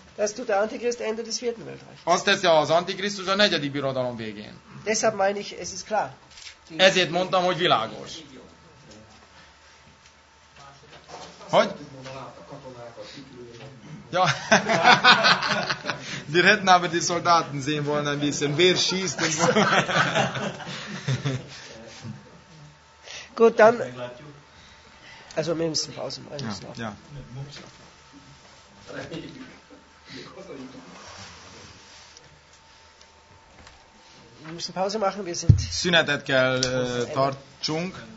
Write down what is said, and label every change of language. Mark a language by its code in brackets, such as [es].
[de] das tut der Antichrist Ende des vierten Weltreichs. [hu] Azt teszi az Antikrisztus a negyedik birodalom végén. [de] Deshalb meine ich, es ist klar. [hu] Ezért mondtam, hogy világos. Hogy? [de] Ja. Wir hätten aber die Soldaten sehen wollen ein bisschen. Wer schießt denn? Gut, dann. Also wir müssen Pause machen. Ja. Ja. Wir müssen Pause machen, wir sind [hu] Szünetet kell tartsunk.